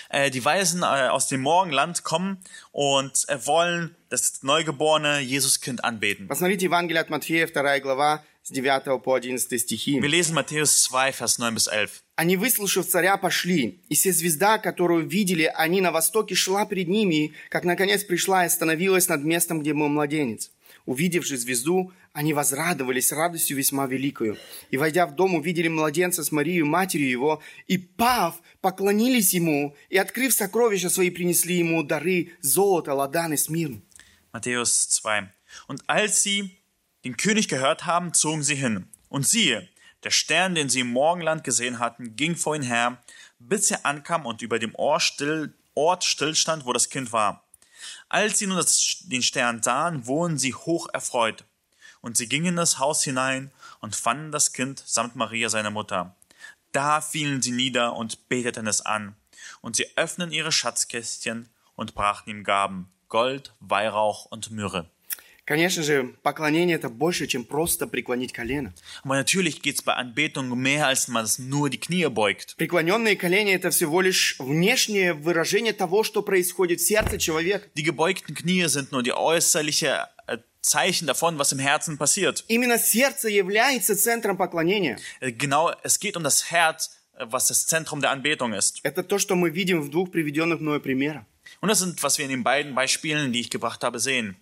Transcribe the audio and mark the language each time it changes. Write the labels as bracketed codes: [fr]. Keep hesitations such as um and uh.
[de] die Weisen aus dem Morgenland kommen und wollen das Neugeborene Jesuskind anbeten. [ru] Посмотрите Евангелие от Матфея, вторая глава, с 9 по 11 стихи. Мы читаем Матфея 2, Vers 9 11. Они, выслушав царя, пошли, и все звезда, которую видели они на востоке, шла перед ними, как наконец пришла и остановилась над местом, где был младенец. Увидев же звезду, они возрадовались радостью весьма великою. И, войдя в дом, увидели младенца с Марией, матерью его, и, пав, поклонились ему, и, открыв сокровища свои, принесли ему дары, золото, ладан и смирн. Матфея 2. [de] Und als sie den König gehört haben, zogen sie hin. Und siehe, der Stern, den sie im Morgenland gesehen hatten, ging vor ihnen her, bis er ankam und über dem Ort, stillstand, still wo das Kind war. Als sie nun das, den Stern sahen, wurden sie hoch erfreut. Und sie gingen das Haus hinein und fanden das Kind samt Maria, seine Mutter. Da fielen sie nieder und beteten es an. Und sie öffnen ihre Schatzkästchen und brachten ihm Gaben, Gold, Weihrauch und Myrrhe. [ru] Конечно же, поклонение это больше, чем просто преклонить колено. [de] Aber natürlich geht's bei Anbetung mehr, als man es nur die Knie beugt. [ru] Преклоненные колени это всего лишь внешнее выражение того, что происходит в сердце человека. [de] Die gebeugten Knie sind nur die äußerliche äh, Zeichen davon, was im Herzen passiert. [ru] Именно сердце является центром поклонения. [de] Genau, es geht um das Herz, was das Zentrum der Anbetung ist. [ru] Это то, что мы видим в двух приведенных мной примерах. [de] Und das sind, was wir in den beiden Beispielen, die ich gebracht habe, sehen.